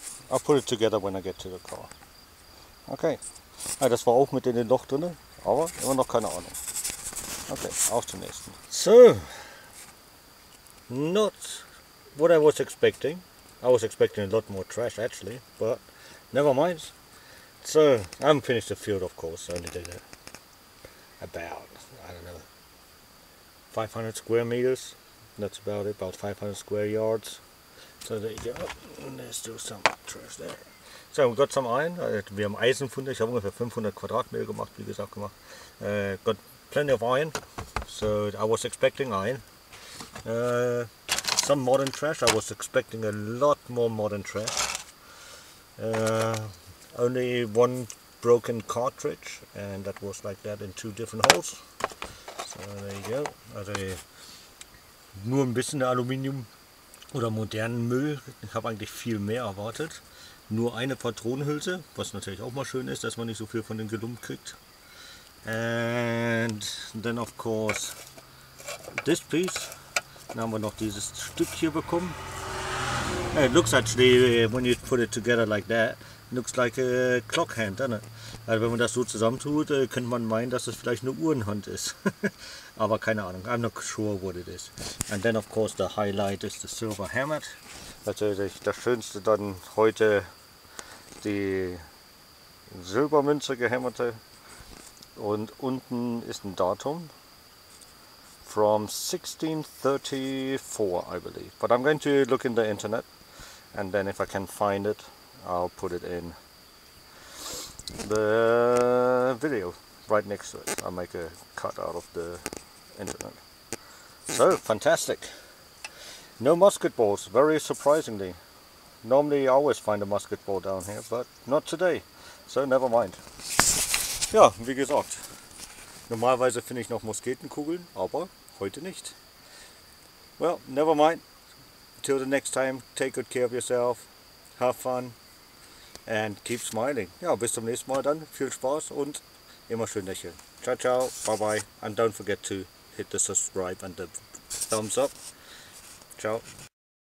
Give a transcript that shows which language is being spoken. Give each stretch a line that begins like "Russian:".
English: I'll put it together when I get to the car.
German: Okay, ah, das war auch mit in den Loch drinne, aber immer noch keine Ahnung. Okay, auf zum nächsten.
English: So, not what I was expecting. I was expecting a lot more trash actually, but never mind. So, I'm finished the field, of course, only did it. About, I don't know, 500 square meters, that's about it, about 500 square yards. So there you go, and there's still some trash there. So we got some iron, we have
German: Eisen gefunden, ich habe ungefähr 500 Quadratmeter gemacht, wie gesagt gemacht.
English: Got plenty of iron, so I was expecting iron. Some modern trash, I was expecting a lot more modern trash. Only one broken cartridge, and that was like that in two different holes. So there you go.
German: Also nur ein bisschen Aluminium oder modernen Müll. Ich habe eigentlich viel mehr erwartet. Nur eine Patronenhülse, was natürlich auch mal schön ist, dass man nicht so viel von den Gelumpen kriegt.
English: And then of course this piece.
German: Dann haben wir noch dieses Stück hier bekommen.
English: It looks actually, when you put it together like that, looks like a clock hand, doesn't it?
German: Also wenn man das so zusammentut, könnte man meinen, dass es vielleicht eine Uhrenhand ist. Aber keine Ahnung,
English: I'm not sure what it is. And then of course the highlight is the silver hammer.
German: Natürlich das Schönste dann heute, die Silbermünze gehämmerte. Und unten ist ein Datum.
English: From 1634, I believe. But I'm going to look in the internet, and then if I can find it, I'll put it in the video right next to it. I'll make a cut out of the internet. So, fantastic. No musket balls, very surprisingly. Normally I always find a musket ball down here, but not today. So never mind.
German: Ja, wie gesagt, normalerweise finde ich noch Musketenkugeln, aber heute nicht.
English: Well, never mind. Till the next time, take good care of yourself, have fun and keep smiling.
German: Ja, bis zum nächsten Mal dann. Viel Spaß und immer schön lächeln.
English: Ciao, ciao, bye bye. And don't forget to hit the subscribe and the thumbs up. Ciao.